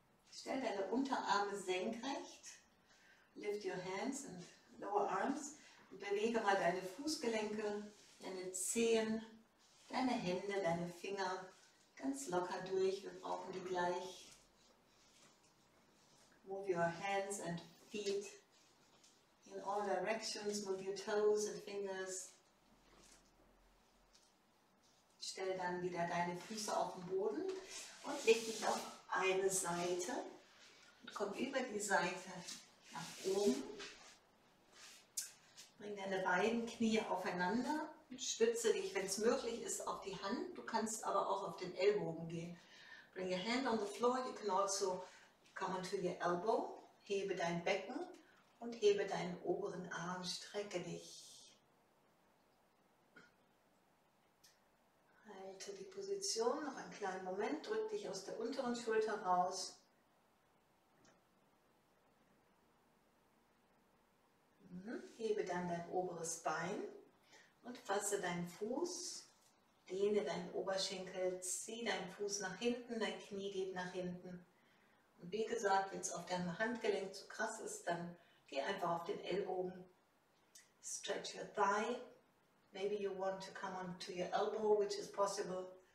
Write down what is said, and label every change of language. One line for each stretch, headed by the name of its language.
German: Stell deine Unterarme senkrecht.
English: Lift your hands and lower arms.
German: Und bewege mal deine Fußgelenke, deine Zehen, deine Hände, deine Finger ganz locker durch. Wir brauchen die gleich.
English: Move your hands and feet in all directions. Move your toes and fingers.
German: Stell dann wieder deine Füße auf den Boden und leg dich auf eine Seite und komm über die Seite nach oben. Bring deine beiden Knie aufeinander und stütze dich, wenn es möglich ist, auf die Hand. Du kannst aber auch auf den Ellbogen gehen.
English: Bring your hand on the floor, you can also come onto your elbow.
German: Hebe dein Becken und hebe deinen oberen Arm, strecke dich. Halte die Position noch einen kleinen Moment, drück dich aus der unteren Schulter raus. Hebe dann dein oberes Bein und fasse deinen Fuß, dehne deinen Oberschenkel, zieh deinen Fuß nach hinten, dein Knie geht nach hinten. Und wie gesagt, wenn es auf deinem Handgelenk zu krass ist, dann geh einfach auf den Ellbogen.
English: Stretch your thigh. Maybe you want to come on to your elbow, which is possible.